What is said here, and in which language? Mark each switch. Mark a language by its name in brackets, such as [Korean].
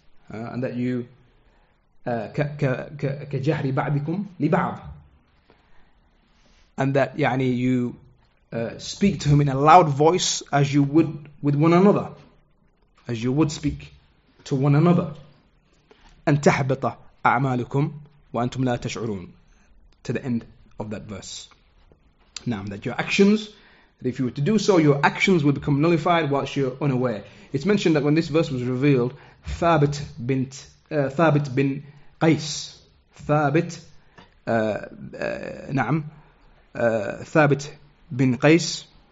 [English] And that you [Arabic] كجحر بعضكم لبعض. [English] And that يعني you speak to him in a loud voice as you would with one another, as you would speak to one another. [Arabic] أن تحبط أعمالكم وأنتم لا تشعرون. [English] To the end of that verse. Now that your actions, that if you were to do so, your actions would become nullified whilst you're unaware. It's mentioned that when this verse was revealed, Thabit bin Qais.